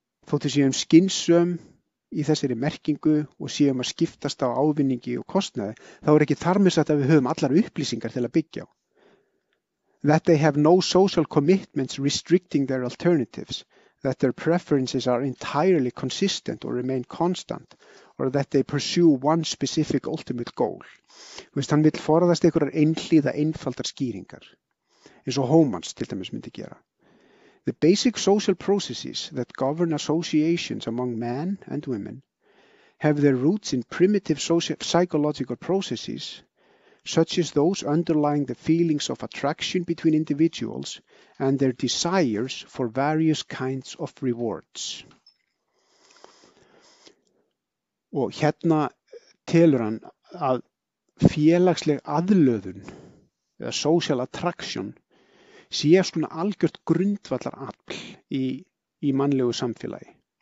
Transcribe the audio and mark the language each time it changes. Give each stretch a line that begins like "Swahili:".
Icelandic: Þótt við séum skynsöm í þessari merkingu og séum að skiptast á ávinningi og kostnaði, þá ekki þar með satt að við höfum allar upplýsingar til að byggja á.
English: That they have no social commitments restricting their alternatives, that their preferences are entirely consistent or remain constant, or that they pursue one specific ultimate goal.
Icelandic: Veist, hann vill forðast einhverjar einhlíða einfaldar skýringar. Eins og Hómans til dæmis myndi gera.
English: The basic social processes that govern associations among men and women have their roots in primitive psychological processes such as those underlying the feelings of attraction between individuals and their desires for various kinds of rewards.
Icelandic: Og hérna telur hann að félagsleg aðlöðun eða social attraction sé svona algjört grundvallar afl í mannlegu samfélagi.